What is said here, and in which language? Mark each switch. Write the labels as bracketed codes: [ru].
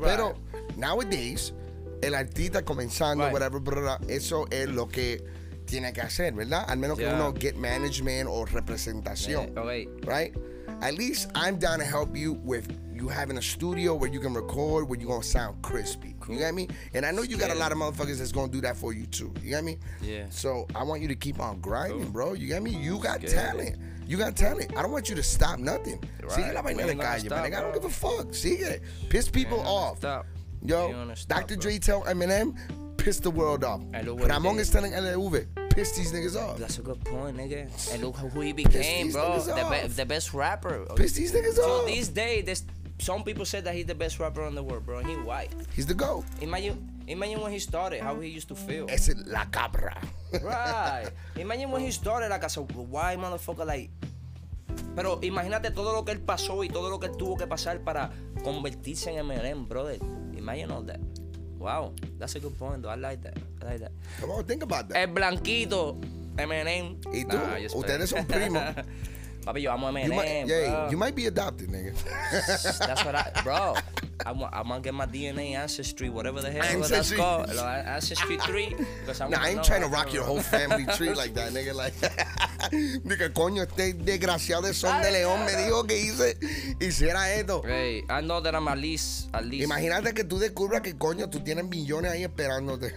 [es] Pero [en] nowadays, [es] el artista comenzando, whatever, brother, eso es lo que tiene que hacer, ¿verdad? Al menos que uno [en] get management [es] or representación. Right? [en] At least I'm down to help you with you having a studio where you can record, where you're going to sound crispy. Cool. You get me? And I know you got a lot of motherfuckers that's going to do that for you too. You get me? Yeah. So I want you to keep on grinding, cool, bro. You get me? You got talent. You got talent. I don't want you to stop nothing. [es] Sigue la vaina de calle, [en] man. I don't give a fuck. [es] Sigue. [en] Piss people off. Stop. Yo, stop, Dr. Dre tell Eminem, piss the world off. Ramon is telling LAV, piss these niggas off. That's a good point, nigga. And look who he became, bro. The best rapper. Piss these niggas off. So these days, some people say that he's the best rapper in the world, bro. He white. He's the GOAT. Imagine when he started, how he used to feel. [es] Es la cabra. [en] Right. Imagine when he started, like, as a white motherfucker, like. [es] Pero imagínate todo lo que él pasó y todo lo que tuvo que pasar para convertirse en Eminem, brother. [en] Imagine all that. Wow, that's a good point, though. I like that. Come on, think about that. [es] El Blanquito, Eminem. ¿Y tú? Nah, ustedes son primos. Papi, yo amo Eminem, bro. Yeah, [en] you might be adopted, nigga. That's what I... Bro, I'm gonna get my DNA ancestry, whatever the hell ancestry. That's called. Ancestry 3. Nah, I ain't trying to rock your whole family tree like that, nigga. [es] Like, nigga, coño, este desgraciado son de León me dijo que hiciera esto. [en] Hey, I know that I'm at least. [es] Imagínate que tú descubras que, coño, tú tienes millones ahí esperándote.